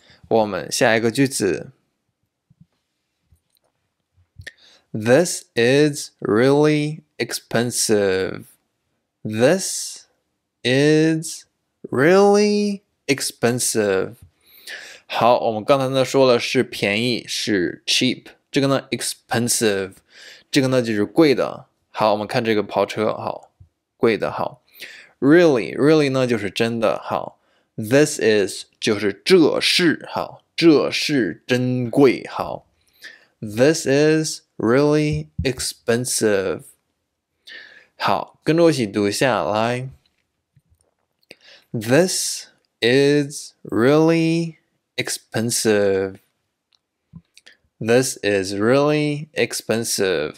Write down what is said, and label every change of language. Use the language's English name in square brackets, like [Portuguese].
[Chinese] 我们下一个句子 ， [English] This is really expensive. This is really expensive. [Chinese] 好，我们刚才呢说了是便宜，是 cheap。这个呢 expensive， 这个呢就是贵的。好，我们看这个跑车，好，贵的。好 ，really 呢就是真的。好 ， [English] this is [Chinese] 就是这是。好，这是真贵。 [English] 好 ，this is really expensive. [Chinese] 好，跟着我一起读一下来。 [English] This is really expensive. This is really expensive.